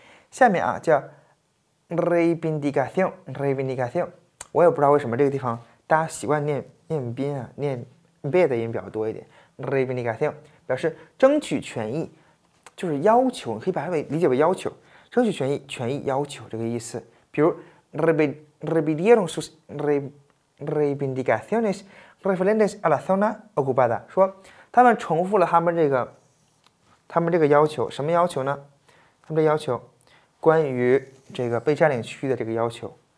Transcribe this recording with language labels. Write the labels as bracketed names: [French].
[Chinese] 下面啊叫 reivindicación， 我也不知道为什么这个地方大家习惯念背的音比较多一点。 reivindicación 表示争取权益，就是要求，你可以把它理解为要求，争取权益，权益要求这个意思。 [Spanish] 比如 repidieron sus reivindicaciones referentes a la zona ocupada， [Chinese] 说他们重复了他们这个要求。什么要求呢？他们的要求关于这个被占领区域的这个要求。